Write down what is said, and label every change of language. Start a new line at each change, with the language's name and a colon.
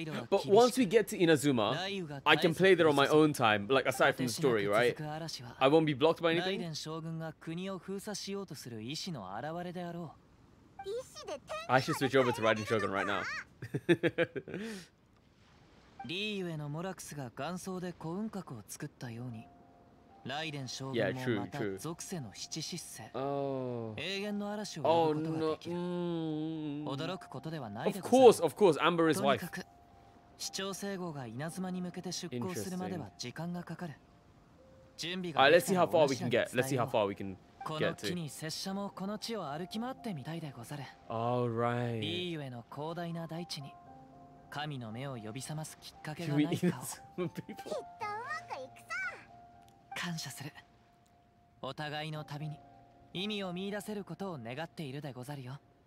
English: But once we get to Inazuma, I can play there on my own time, like aside from the story, right? I won't be blocked by anything. I should switch over to Raiden Shogun right now.
Japanese: リーユへのモラクスが幻想で幸運閣を作ったように、ライデン将軍もまた属性の七疾星、永遠の嵐を呼ぶことができる。驚くことではないでござる。
English: Of course, Amber is wife.
Japanese: 市長聖号が稲妻に向けて出航するまでは時間がかかる。準備が
English: Let's see how far we can get. Let's see how far we can
Japanese: この地に拙者もこの地を歩き回ってみたいでござる。
English: All right.
Japanese: リーユへの広大な大地に神の目を呼び覚ますきっかけがないかを。
English: Should we eat some people?
Japanese: きっとうまくいくさ。感謝する。お互いの旅に意味を見出せることを願っているでござるよ。